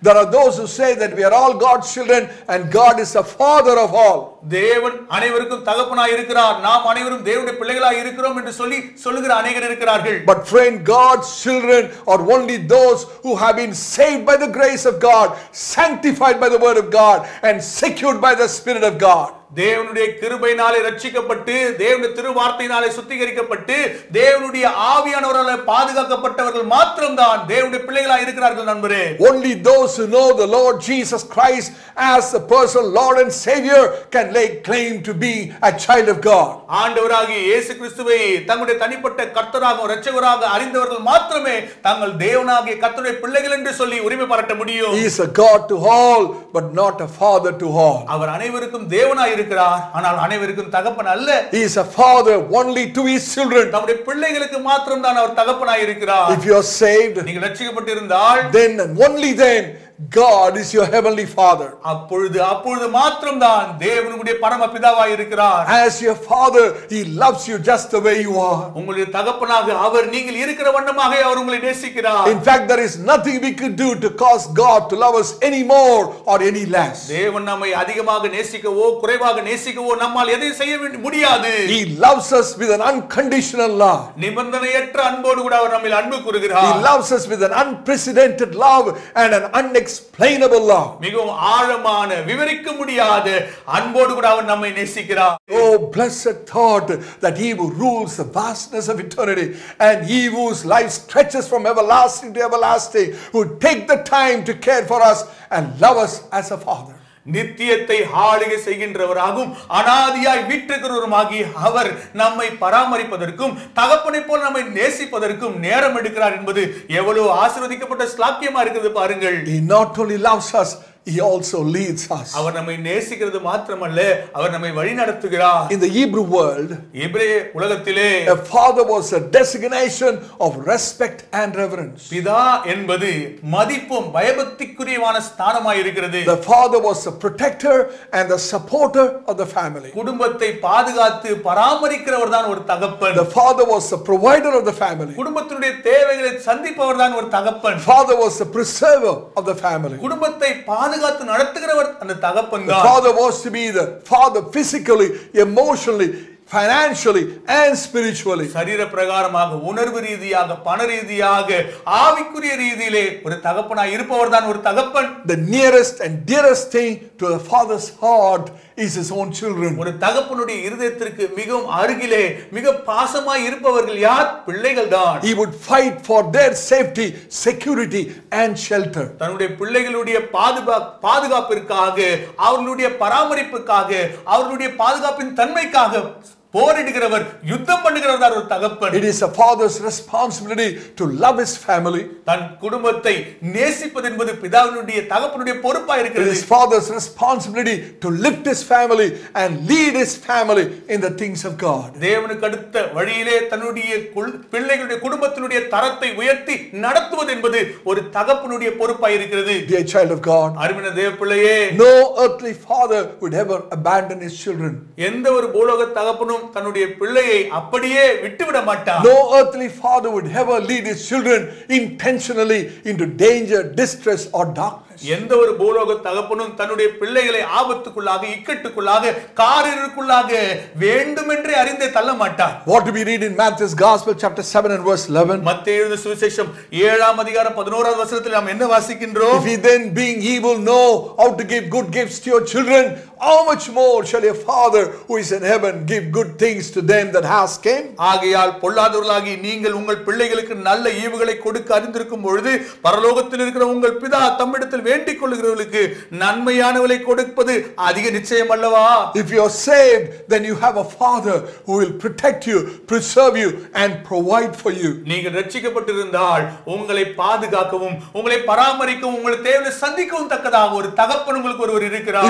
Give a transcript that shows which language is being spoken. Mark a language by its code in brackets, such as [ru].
[en] There are those who say that we are all God's children and God is the father of all. [ta] தேவன் அனைவருக்கும் தகப்பனாய் இருக்கிறார், நாம் அனைவரும் தேவனுடைய பிள்ளைகளாய் இருக்கிறோம் என்று சொல்லி சொல்லுகிற அநேகர் இருக்கிறார்கள். [en] But friend, God's children are only those who have been saved by the grace of God, sanctified by the word of God and secured by the spirit of God. [ta] தேவனுடைய கிருபையினாலே ரட்சிக்கப்பட்டு தேவனுடைய திருவார்த்தையினாலே சுத்திகரிக்கப்பட்டு தேவனுடைய ஆவியானவரால் பாதுகாக்கப்பட்டவர்கள் மாத்திரம்தான் தேவனுடைய பிள்ளைகளாக இருக்கிறார்கள் நண்பரே. [en] Only those who know the Lord Jesus Christ as the personal Lord and Savior can lay claim to be a child of God. [ta] ஆண்டவராகிய இயேசு கிறிஸ்துவை தங்களுடைய தனிப்பட்ட கர்த்தராகவும் இரட்சகராக அறிந்தவர்கள் மாத்திரமே தங்கள் தேவனாகிய கர்த்தருடைய பிள்ளைகள் என்று சொல்லி உரிமை பாராட்ட முடியும். [en] He is a God to all but not a father to all. [ta] அவர் அனைவருக்கும் தேவனாய் இருக்கிறார், ஆனால் அனைவருக்கும் தகப்பன் அல்ல. [en] He is a father only to his children. [ta] தம்முடைய பிள்ளைகளுக்கு மாத்திரம்தான் அவர் தகப்பனாய் இருக்கிறார். [en] If you are saved, [ta] நீங்கள் இரட்சிக்கப்பட்டிருந்தால், [en] then and only then God is your heavenly father. [ta] அப்பொழுது மாத்திரம்தான் தேவனுடைய பரம பிதாவாய் இருக்கிறார். [en] As your father, he loves you just the way you are. [ta] உங்களுடைய தகப்பனாக அவர் நீங்கள் இருக்கிற வண்ணமாக அவர் உங்களை நேசிக்கிறார். [en] In fact, there is nothing we could do to cause God to love us any more or any less. [ta] தேவன் நம்மை அதிகமாக நேசிக்கவோ குறைவாக நேசிக்கவோ நம்மால் எதையும் செய்ய முடியாது. [en] He loves us with an unconditional love. [ta] நிபந்தனையற்ற அன்போடு கூட அவர் நம்மில் அன்பு கூறுகிறார். [en] He loves us with an unprecedented love and an unexplainable love. [ta] மிகவும் ஆழமான விவரிக்க முடியாத அன்போடு கூட அவர் நம்மை நேசிக்கிறார். [en] Oh, blessed thought that he who rules the vastness of eternity and he whose life stretches from everlasting to everlasting who take the time to care for us and love us as a father. [ta] நித்தியத்தை ஆளுகை செய்கின்றவராகவும் அனாதியாய் விட்டிருக்கிறவருமாகி அவர் நம்மை பராமரிப்பதற்கும் தகப்பனை போல் நம்மை நேசிப்பதற்கும் நேரம் எடுக்கிறார் என்பது எவ்வளவு ஆசீர்வதிக்கப்பட்ட சாட்சியமா இருக்குது பாருங்கள். [en] He not only loves us, he also leads us. [ta] அவர் நம்மை நேசிக்கிறது மட்டுமல்ல அவர் நம்மை வழிநடத்துகிறார். [en] In the Hebrew world, [ta] எபிரேய உலகத்திலே, [en] a father was a designation of respect and reverence. [ta] பிதா என்பது மதிப்பும் பயபக்திக்குரியமான ஸ்தானமாய் இருக்கிறது. [en] The father was a protector and the supporter of the family. [ta] குடும்பத்தை பாதுகாத்து பராமரிக்கிறவர் தான் ஒரு தகப்பன். [en] The father was a provider of the family. [ta] குடும்பத்தினுடைய தேவைகளை சந்திப்பவர் தான் ஒரு தகப்பன். [en] Father was a preserver of the family. [ta] குடும்பத்தை பாதுகாத்து நடத்துகிறவர் அந்த தகப்பன். [en] The father was to be the father physically, emotionally, financially and spiritually. [ta] சரீர பிரகாரமாக உணர்வு ரீதியாக பண ரீதியாக ஆவிக்குரிய ரீதியிலே ஒரு தகப்பனாய் இருப்பவர் தான் ஒரு தகப்பன். [en] The nearest and dearest thing to the father's heart is his own children. [ta] ஒரு தகப்பனுடைய இதயத்திற்கு மிகவும் அருகிலே மிக பாசமாய் இருப்பவர்கள் யார்? பிள்ளைகள் தான். [en] He would fight for their safety, security and shelter. [ta] தன்னுடைய பிள்ளைகளுடைய பாதுகாப்பிற்காக அவர்களுடைய பராமரிப்புக்காக அவர்களுடைய பாதுகாப்பின் தன்மைக்காக போரிடுகிறவர் யுத்தம் பண்ணுகிறவர் தான் ஒரு தகப்பன். [en] It is a father's responsibility to love his family. [ta] தன் குடும்பத்தை நேசிப்பது என்பது பிதாவினுடைய தகப்பனுடைய பொறுப்பா இருக்கிறது. [en] It is father's responsibility to lift his family and lead his family in the things of God. [ta] தேவனுக்கு அடுத்த வழியிலே தன்னுடைய பிள்ளைகளுடைய குடும்பத்தினுடைய தரத்தை உயர்த்தி நடத்துவது என்பது ஒரு தகப்பனுடைய பொறுப்பா இருக்கிறது. [en] Dear child of God, [ta] அருமையான தேவப்பிள்ளையே, [en] no earthly father would ever abandon his children. [ta] எந்த ஒரு பூலோக தகப்பன் தன்னுடைய பிள்ளையை அப்படியே விட்டுவிட மாட்டார். [en] No earthly father would ever lead his children intentionally into danger, distress or darkness. [ta] எந்த ஒரு பூலோக தகப்பனும் தன்னுடைய பிள்ளைகளை ஆபத்துக்குள்ளாக இக்கட்டுக்குள்ளாக காரிருக்குள்ளாக வேண்டுமென்றே அறிந்தே தள்ள மாட்டார். [en] What do we read in Matthew's Gospel chapter 7 and verse 11? [ta] மத்தேயு சுவிசேஷம் 7ஆம் அதிகாரம் 11வது வசனத்தில் நாம் என்ன வாசிக்கின்றோம்? [en] If he then being evil know how to give good gifts to your children, how much more shall your father who is in heaven give good things to them that ask him? [ta] ஆகையால் பொல்லாதவர்களாகி நீங்கள் உங்கள் பிள்ளைகளுக்கு நல்ல ஈவுகளை கொடுக்க அறிந்திருக்கும் பொழுது பரலோகத்தில் இருக்கிற உங்கள் பிதா தம்மிடத்தில் வேண்டிக் கொள்ளுகிறவர்களுக்கு நன்மையானவளை கொடுப்பது அதிக நிச்சயம் அல்லவா? [en] If you are saved, then you have a father who will protect you, preserve you and provide for you. [ta] நீங்கள் இரட்சிக்கப்பட்டிருந்தால் உங்களை பாதுகாக்கவும் உங்களை பராமரிக்கவும் உங்களை தேவனை சந்திக்கவும் தக்கதாக ஒரு தகப்பன் உங்களுக்கு ஒருவர் இருக்கிறார்.